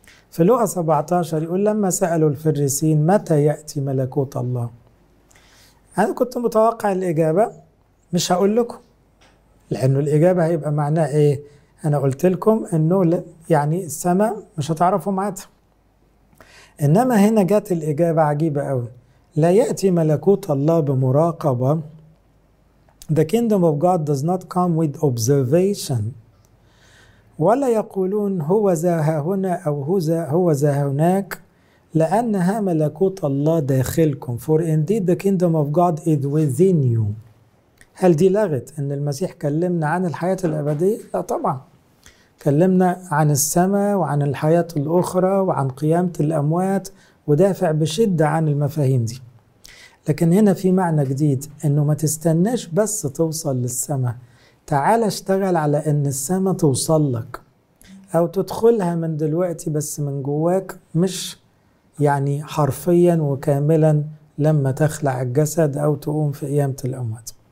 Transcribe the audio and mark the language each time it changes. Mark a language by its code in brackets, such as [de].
[ar] في لوقا 17 يقول لما سألوا الفريسين متى يأتي ملكوت الله، أنا كنت متوقع الإجابة، مش هقول لكم، لأنه الإجابة هيبقى معناه إيه؟ أنا قلت لكم إنه يعني السماء مش هتعرفوا معادها. إنما هنا جات الإجابة عجيبة قوي، لا يأتي ملكوت الله بمراقبة. [en] The kingdom of God does not come with observation. [ar] ولا يقولون هو ذا هنا أو هو ذا هناك، لأنها ملكوت الله داخلكم. [en] For indeed the kingdom of God is within you. [ar] هل دي لغت أن المسيح كلمنا عن الحياة الأبدية؟ لا طبعا، كلمنا عن السماء وعن الحياة الأخرى وعن قيامة الأموات، ودافع بشدة عن المفاهيم دي. لكن هنا في معنى جديد، أنه ما تستناش بس توصل للسماء، تعال اشتغل على أن السماء توصل لك أو تدخلها من دلوقتي، بس من جواك، مش يعني حرفيا وكاملا لما تخلع الجسد او تقوم في قيامة الاموات.